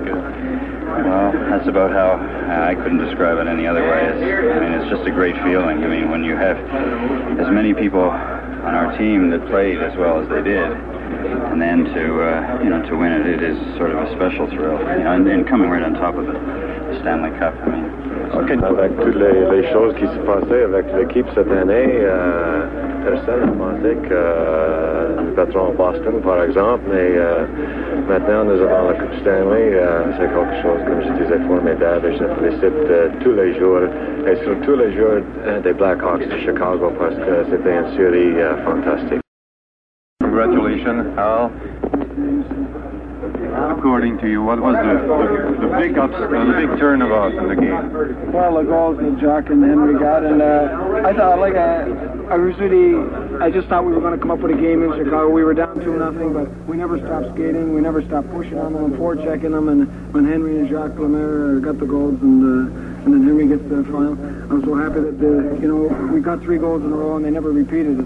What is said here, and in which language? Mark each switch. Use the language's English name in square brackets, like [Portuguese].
[English] Well, that's about how I couldn't describe it any other way. It's just a great feeling. I mean, when you have as many people on our team that played as well as they did, and then to win it, it is sort of a special thrill. You know, and coming right on top of the Stanley Cup, I mean. Okay. [French] Avec toutes les choses qui se passaient avec l'équipe cette année, personne n'a pensé que nous battrons Boston, par exemple, mais maintenant nous avons la Coupe Stanley, c'est quelque chose, comme je disais, formidable, et je félicite tous les jours, et surtout les jours des Blackhawks de Chicago, parce que c'était une série fantastique. [English] Congratulations, Al. According to you, what was the big ups, the big turnabout in the game? Well, the goals that Jack and Henry got, and I just thought we were going to come up with a game in Chicago. We were down 2-0, but we never stopped skating. We never stopped pushing on them, forechecking them, and when Henry and Jacques Lemaire got the goals, and then Henry gets the final, I'm so happy that we got 3 goals in a row, and they never repeated it.